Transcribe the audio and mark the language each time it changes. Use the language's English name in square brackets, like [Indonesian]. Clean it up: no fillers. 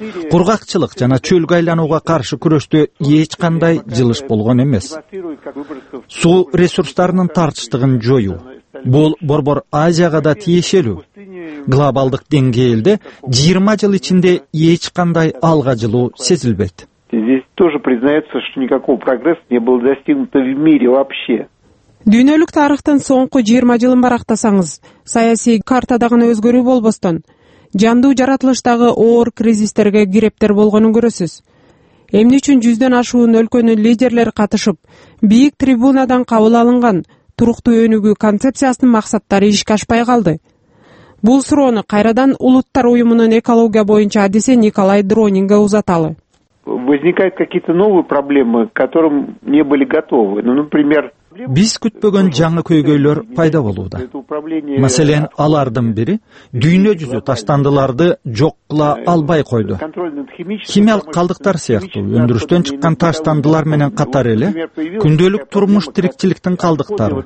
[Kyrgyz] Кургакчылык жана чөлгө айланууга каршы күрөштө эч кандай жылыш болгон эмес. Суу ресурстарынын тартыштыгын жоюу. Бул борбор Азияга да тиешелүү. Глобалдык деңгээлде 20 жыл ичинде эч кандай алга жылуу сезилбейт. [Russian] Здесь тоже признается, что никакого прогресса не было достигнуто в мире вообще. [Kyrgyz] Дүйнөлүк тарыхтын соңку 20 жылын барактасаңыз, саясий картада гана өзгөрүү болбостон, жандуу жаратылыштагы оор кризистерге кирептер болгонун көрөсүз. Эмне үчүн 100 өлкөнүн лидерлери катышып, бийик трибунадан кабыл алынган туруктуу өнүгүү концепциясынын максаттары ишке ашпай калды? Бул суроону кайрадан Улуттар Уюмунун экология боюнча адиси Николай Дронинге узаталы. [Russian] Возникают какие-то новые проблемы, к которым не были готовы. Например, [Kyrgyz] биз күтпөгөн жаңы көйгөйлөр пайда болууда. Маселен, алардын бири дүйнө жүзү таштандыларды жок кыла албай койду. Химиялык калдыктар сыяктуу өндүрүштөн чыккан таштандылар менен катар эле күндөлүк турмуш тирикчиликтин калдыктары.